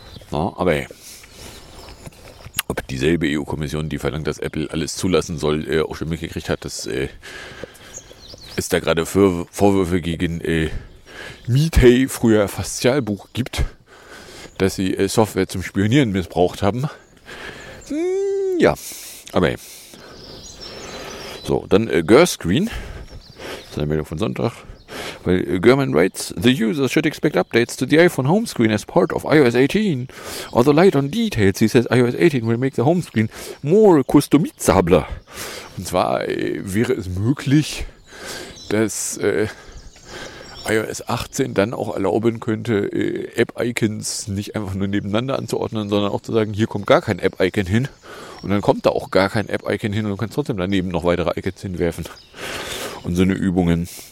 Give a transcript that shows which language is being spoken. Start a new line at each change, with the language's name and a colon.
German: Na, aber ob dieselbe EU-Kommission, die verlangt, dass Apple alles zulassen soll, auch schon mitgekriegt hat, dass es da gerade Vorwürfe gegen Meetay, früher Faszialbuch, gibt, dass sie Software zum Spionieren missbraucht haben. Ja, aber so, dann Girlscreen. Das ist eine Meldung von Sonntag.
English: Weil German writes, the users should expect updates to the iPhone home screen as part of iOS 18. Although light on details, he says iOS 18 will make the home screen more customizable.
German: Und zwar wäre es möglich, dass iOS 18 dann auch erlauben könnte, App-Icons nicht einfach nur nebeneinander anzuordnen, sondern auch zu sagen, hier kommt gar kein App-Icon hin. Und dann kommt da auch gar kein App-Icon hin und du kannst trotzdem daneben noch weitere Icons hinwerfen. Und so eine Übungen.